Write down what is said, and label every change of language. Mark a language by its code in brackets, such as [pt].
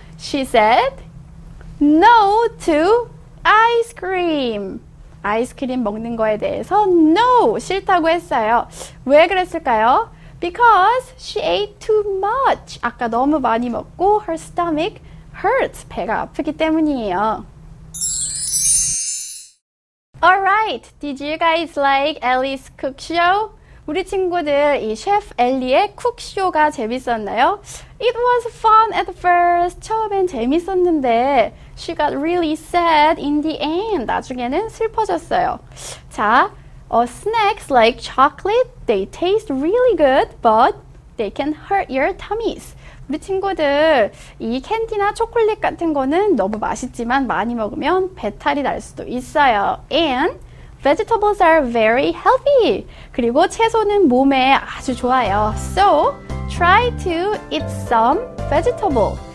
[en] She said no to ice cream. [ko] 아이스크림 먹는 거에 대해서 no, 싫다고 했어요. 왜 그랬을까요? [en] Because she ate too much. [ko] 아까 너무 많이 먹고 [en] her stomach hurts. [ko] 배가 아프기 때문이에요. [en] Alright, did you guys like Ellie's cook show? [ko] 우리 친구들, 이 셰프 엘리의 쿡쇼가 재밌었나요? [en] It was fun at first. [ko] 처음엔 재밌었는데, [en] she got really sad in the end. [ko] 나중에는 슬퍼졌어요. [en] 자, snacks like chocolate, they taste really good, but they can hurt your tummies. [ko] 우리 친구들, 이 캔디나 초콜릿 같은 거는 너무 맛있지만 많이 먹으면 배탈이 날 수도 있어요. [en] And vegetables are very healthy. [ko] 그리고 채소는 몸에 아주 좋아요. [en] So, try to eat some vegetable.